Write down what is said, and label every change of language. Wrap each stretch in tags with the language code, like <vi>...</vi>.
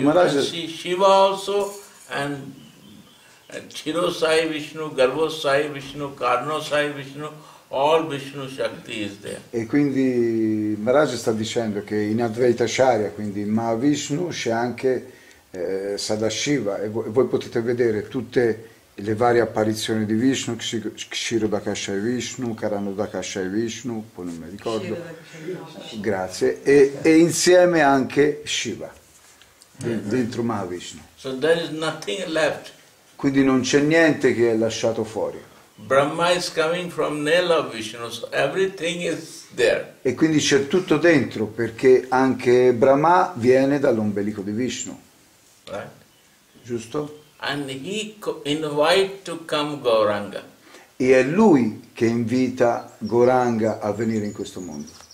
<en>Maharaj, you can see Shiva also and Chiro Sai Vishnu, Garbo Sai Vishnu, Karno Sai Vishnu, all Vishnu Shakti is there.</en> <it>E quindi Maharaj sta dicendo che in Advaita Acharya, quindi in Mahavishnu, c'è anche Sadashiva, e voi potete vedere tutte le varie apparizioni di Vishnu, Kshirodakshaya Vishnu, Karanodakshaya Vishnu, poi non mi ricordo. Grazie. E insieme anche Shiva, dentro Mahavishnu.</it> <en>So there is nothing left.</en> <it>Quindi non c'è niente che è lasciato fuori.</it> <en>Brahma is coming from Nela Vishnu, so everything is there.</en> <it>E quindi c'è tutto dentro, perché anche Brahma viene dall'ombelico di Vishnu.</it> <en>Right.</en> <it>Giusto?</it> <en>And he invite to come Gauranga.</en> <it>E è lui che invita Gauranga a venire in questo mondo.</it>